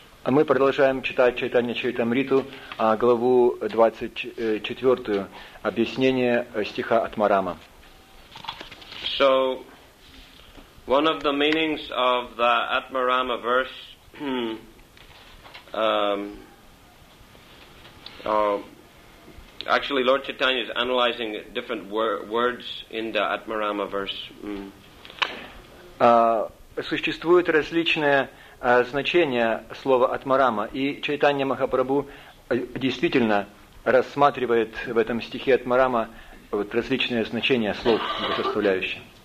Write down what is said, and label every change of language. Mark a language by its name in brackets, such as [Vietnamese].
[Russian] А мы продолжаем читать Чайтанья Чайтамриту, главу 24, объяснение стиха Атмарама. [English] So, one of the meanings of the Atmarama verse, actually, Lord Chaitanya is analyzing different words in the Atmarama verse. [Russian] Существуют различные значения слова «атмарама», и Чайтанья Махапрабху действительно рассматривает в этом стихе «атмарама» вот различные значения слов, составляющие.